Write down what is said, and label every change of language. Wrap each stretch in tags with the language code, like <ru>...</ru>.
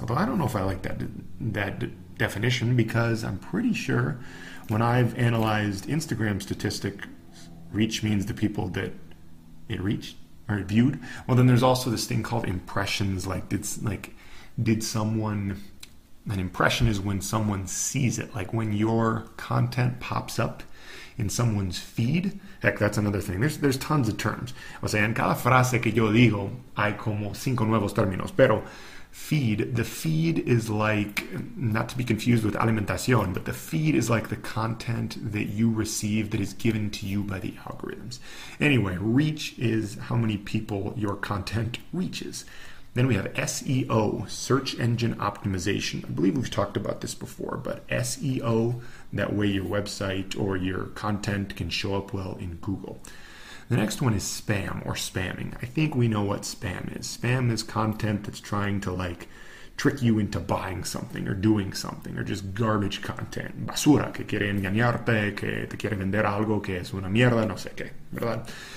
<en>Although I don't know if I like that definition, because I'm pretty sure when I've analyzed Instagram statistic, reach means the people that it reached. Are viewed. Well, then there's also this thing called impressions. An impression is when someone sees it. Like when your content pops up in someone's feed. Heck, that's another thing. There's tons of terms.</en> <es>O sea, en cada frase que yo digo, hay como cinco nuevos términos.</es> <en>Pero feed, the feed is like, not to be confused with alimentación, but the feed is like the content that you receive that is given to you by the algorithms. Anyway, reach is how many people your content reaches. Then we have SEO, search engine optimization. I believe we've talked about this before, but SEO, that way your website or your content can show up well in Google. The next one is spam or spamming. I think we know what spam is. Spam is content that's trying to like trick you into buying something or doing something, or just garbage content.</en> <es>Basura, que quiere engañarte, que te quiere vender algo, que es una mierda, no sé qué, ¿verdad?</es>